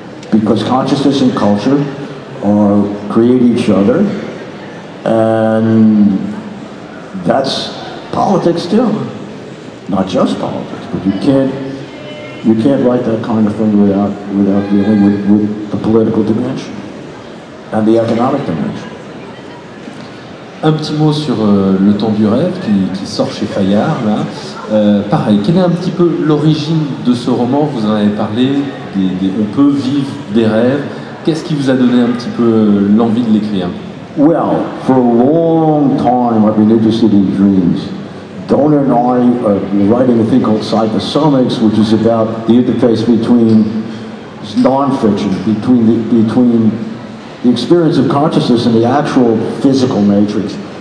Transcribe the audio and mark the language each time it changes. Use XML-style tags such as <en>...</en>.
<en>Because consciousness and culture create each other, and that's politics too. Not just politics, but you can't write that kind of thing without dealing with the political dimension and the economic dimension.</en> <fr>Un petit mot sur Le Temps du Rêve qui sort chez Fayard, là. Pareil, quelle est un petit peu l'origine de ce roman? Vous en avez parlé, on peut vivre des rêves. Qu'est-ce qui vous a donné un petit peu l'envie de l'écrire?</fr> <en>Well, for a long time I've been interested in dreams. Donor and I are writing a thing called Cyphersomics, which is about the interface between non-fiction, between the experience of consciousness and the actual physical matrix.</en>